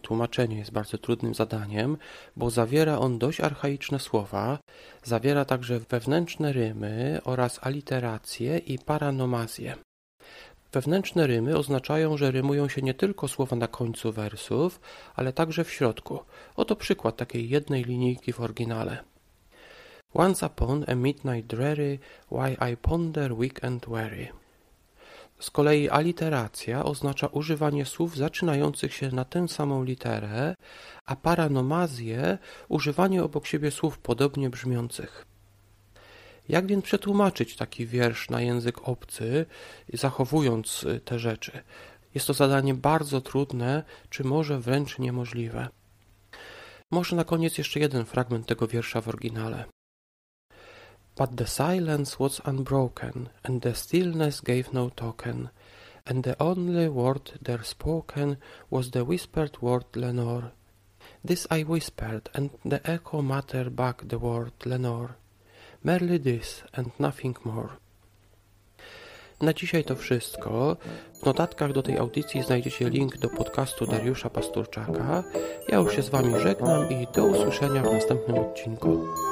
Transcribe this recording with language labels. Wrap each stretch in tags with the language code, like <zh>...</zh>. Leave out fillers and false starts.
<pl>Tłumaczenie jest bardzo trudnym zadaniem, bo zawiera on dość archaiczne słowa, zawiera także wewnętrzne rymy oraz aliterację i paranomazję. Wewnętrzne rymy oznaczają, że rymują się nie tylko słowa na końcu wersów, ale także w środku. Oto przykład takiej jednej linijki w oryginale.</pl> <en>Once upon a midnight dreary, why I ponder weak and weary.</en> <pl>Z kolei aliteracja oznacza używanie słów zaczynających się na tę samą literę, a paranomazję używanie obok siebie słów podobnie brzmiących. Jak więc przetłumaczyć taki wiersz na język obcy, zachowując te rzeczy? Jest to zadanie bardzo trudne, czy może wręcz niemożliwe. Może na koniec jeszcze jeden fragment tego wiersza w oryginale.</pl> <en>But the silence was unbroken, and the stillness gave no token, and the only word there spoken was the whispered word Lenore. This I whispered, and the echo muttered back the word Lenore. Merely this and nothing more.</en> <pl>Na dzisiaj to wszystko. W notatkach do tej audycji znajdziecie link do podcastu Dariusza Pasturczaka. Ja już się z Wami żegnam i do usłyszenia w następnym odcinku.</pl>